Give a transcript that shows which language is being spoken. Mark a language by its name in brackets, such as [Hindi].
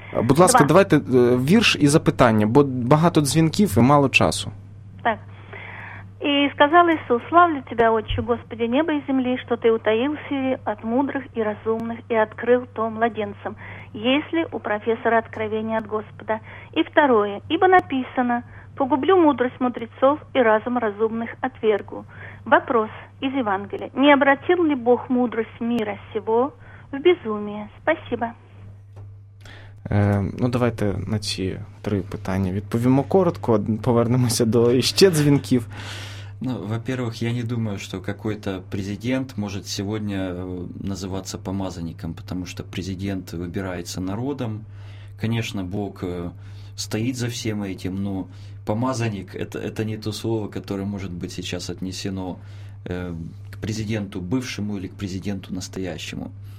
[Ukrainian] Будь ласка, давайте вірш і запитання, бо багато дзвінків і мало часу. Так. І сказав Ісус: «Славлю тебе, Отче, Господи, неба і землі, що ти утаїв сії від мудрих і розумних і відкрив то младенцям, єсли у професора откровення від Господа». [Russian] І второе: «Ібо написано: погублю мудрость мудрецов и разум разумных отвергу». Вопрос из Евангелия: не обратил ли Бог мудрость мира сего в безумие? Спасибо. [Ukrainian] Ну, давайте на ці три питання відповімо коротко, повернемося до ще дзвінків. [Russian] Ну, во-первых, я не думаю, что какой-то президент может сегодня называться помазанником, потому что президент выбирается народом. Конечно, Бог стоит за всем этим, но помазанник – это не то слово, которое может быть сейчас отнесено к президенту бывшему или к президенту настоящему.